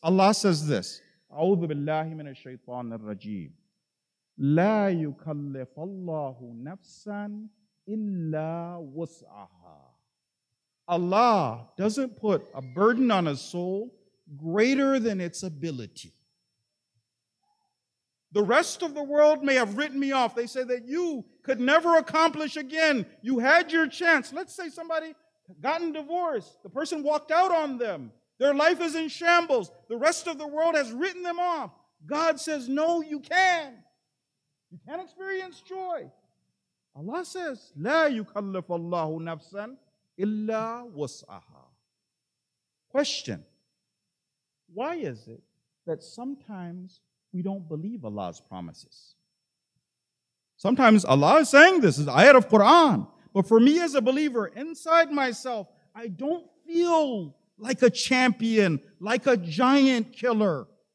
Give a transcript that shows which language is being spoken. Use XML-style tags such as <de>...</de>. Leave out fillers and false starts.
<en>Allah says this,</en> <ar>أَعُوذُ بِاللَّهِ مِنَ الشَّيْطَانِ الرَّجِيمِ لَا يُكَلِّفَ اللَّهُ نَفْسًا إِلَّا وُسْعَهَا.</ar> <en>Allah doesn't put a burden on a soul greater than its ability. The rest of the world may have written me off. They say that you could never accomplish again. You had your chance. Let's say somebody gotten divorced. The person walked out on them. Their life is in shambles. The rest of the world has written them off. God says, no, you can. You can experience joy. Allah says,</en> <ar>لَا يُكَلَّفَ اللَّهُ نَفْسًا إِلَّا وُسْعَهَا.</ar> <en>Question. Why is it that sometimes we don't believe Allah's promises? Sometimes Allah is saying this, is ayat of Quran. But for me as a believer, inside myself, I don't feel like a champion, like a giant killer.</en>